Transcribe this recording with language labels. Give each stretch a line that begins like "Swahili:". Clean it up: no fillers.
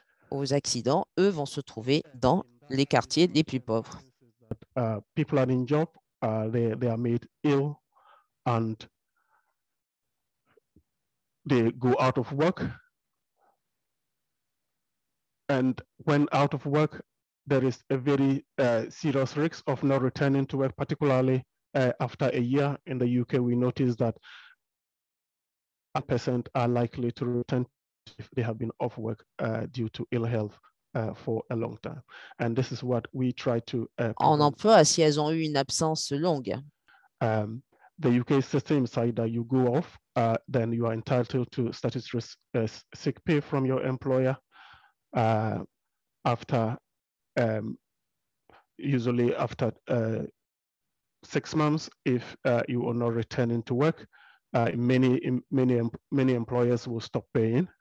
French: Aux accidents, eux vont se trouver dans les quartiers les plus pauvres.
English: People are in job, they are made ill, and they go out of work. And when out of work, there is a very serious risk of not returning to work, particularly after a year. In the UK, we notice that 1% are likely to return if they have been off work due to ill health for a long time. And this is what we try to...
French: En emploi, si elles ont eu une absence longue.
English: The UK system is either you go off, then you are entitled to statutory sick pay from your employer after... usually after 6 months, if you are not returning to work, many employers will stop paying.